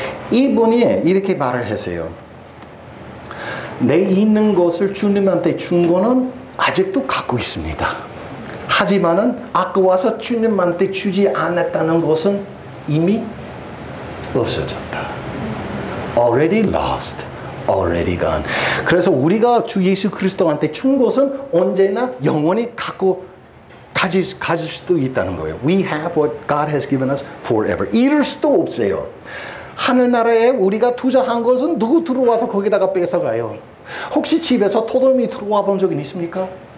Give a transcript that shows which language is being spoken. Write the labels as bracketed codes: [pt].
[ko] 이분이 이렇게 말을 했어요. 내 있는 것을 주님한테 준 거는 아직도 갖고 있습니다. 하지만은 아까 와서 주님한테 주지 않았다는 것은 이미 없어졌다. [en] Already lost, already gone. [ko] 그래서 우리가 주 예수 그리스도한테 준 것은 언제나 영원히 갖고 가질 수도 있다는 거예요. [en] We have what God has given us forever. [ko] 잃을 수도 없어요. 하늘나라에 우리가 투자한 것은 누구 들어와서 거기다가 뺏어가요. 혹시 집에서 도둑이 들어와 본 적은 있습니까?